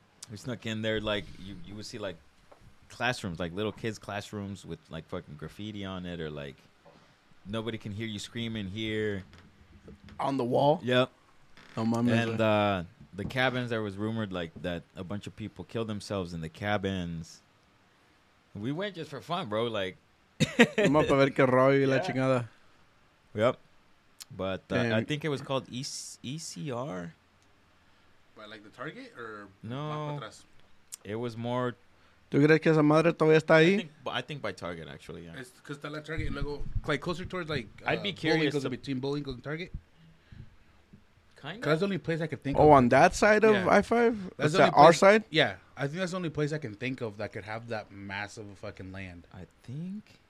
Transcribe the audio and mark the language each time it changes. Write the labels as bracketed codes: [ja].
[en] We snuck in there, like, you would see, like, classrooms, like, little kids' classrooms with, like, fucking graffiti on it or, like, nobody can hear you screaming here. On the wall? Yep. On my memory. And, the cabins, there was rumored, like, that a bunch of people killed themselves in the cabins. We went just for fun, bro, like. [es] Vamos a ver qué rollo y la chingada. [en] Yep. But I think it was called ECR. By like the Target or no? It was more. [es] ¿Tú crees que esa madre todavía está ahí? [en] I think by Target, actually, yeah. It's because the Target, [es] luego, [en] like, closer towards, like, I'd be curious. Between Bowling and Target? Kind of. That's the only place I could think of. Oh, on that side of I-5? That's the our side? Yeah. I think that's the only place I can think of that could have that massive fucking land. I think.